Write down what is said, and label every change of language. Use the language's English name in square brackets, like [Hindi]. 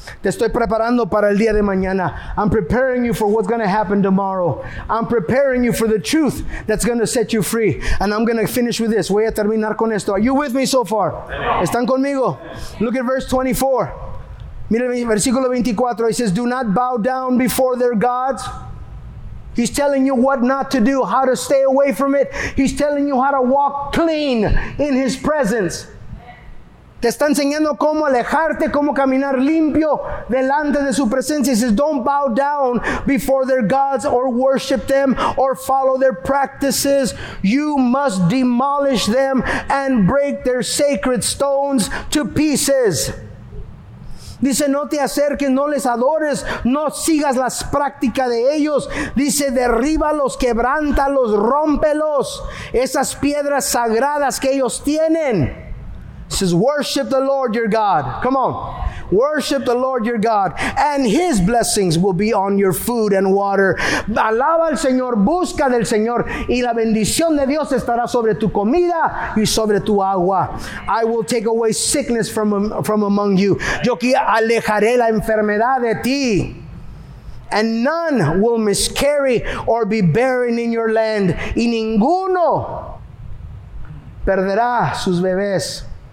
[Spanish] Te estoy preparando para el día de mañana. [English] I'm preparing you for what's going to happen tomorrow. I'm preparing you for the truth that's going to set you free. And I'm going to finish with this. [Spanish] Voy a terminar con esto. [English] Are you with me so far? [Spanish] ¿Están conmigo? [English] Look at verse 24. [Spanish] Mira el versículo 24. [English] It says, do not bow down before their gods. He's telling you what not to do, how to stay away from it. He's telling you how to walk clean in his presence. [Spanish] Te está enseñando cómo alejarte, cómo caminar limpio delante de su presencia. [English] He says, don't bow down before their gods or worship them or follow their practices. You must demolish them and break their sacred stones to pieces. [Spanish] Dice, no te acerques, no les adores, no sigas las prácticas de ellos. Dice, derríbalos, quebrántalos, rómpelos. Esas piedras sagradas que ellos tienen. [English] It says, worship the Lord your God. Come on. Worship the Lord your God. And his blessings will be on your food and water. [Spanish] Alaba al Señor, busca del Señor. Y la bendición de Dios estará sobre tu comida y sobre tu agua. [English] I will take away sickness from among you. [Spanish] Yo aquí alejaré la enfermedad de ti. [English] And none will miscarry or be barren in your land. [Spanish] Y ninguno perderá sus bebés.